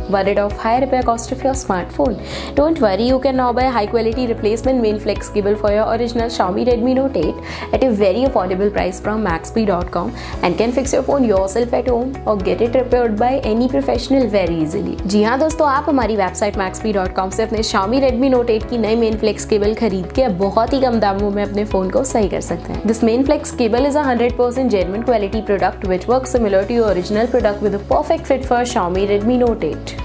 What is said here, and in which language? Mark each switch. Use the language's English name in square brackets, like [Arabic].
[English] Worried of high repair cost of your smartphone? Don't worry, you can now buy high quality replacement main flex cable for your original Xiaomi Redmi Note 8 at a very affordable price from maxp.com and can fix your phone yourself at home or get it repaired by any professional very easily. [Hindi] जी हाँ दोस्तों, आप हमारी website maxp.com से अपने Xiaomi Redmi Note 8 की नई main flex cable खरीद के बहुत ही कम दामों में अपने फोन को सही कर सकते हैं. [English] This main flex cable is a 100% genuine quality product which works similar to your original product with a perfect fit for Xiaomi Redmi Note 8.